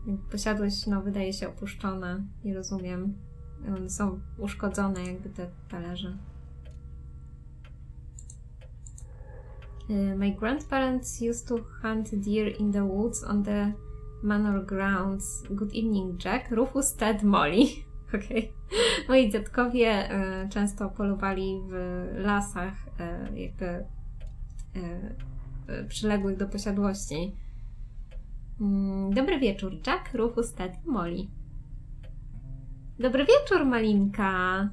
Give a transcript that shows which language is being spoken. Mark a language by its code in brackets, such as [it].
[pl] Posiadłość, no, wydaje się opuszczona. Nie rozumiem. Są uszkodzone jakby te talerze. [en] My grandparents used to hunt deer in the woods on the manor grounds. Good evening, Jack. Rufus, Ted, Molly. Okej. Okay. [pl] Moi dziadkowie często polowali w lasach, jakby przyległych do posiadłości. Dobry wieczór, Jack, Rufus, Ted, Molly. Dobry wieczór, Malinka.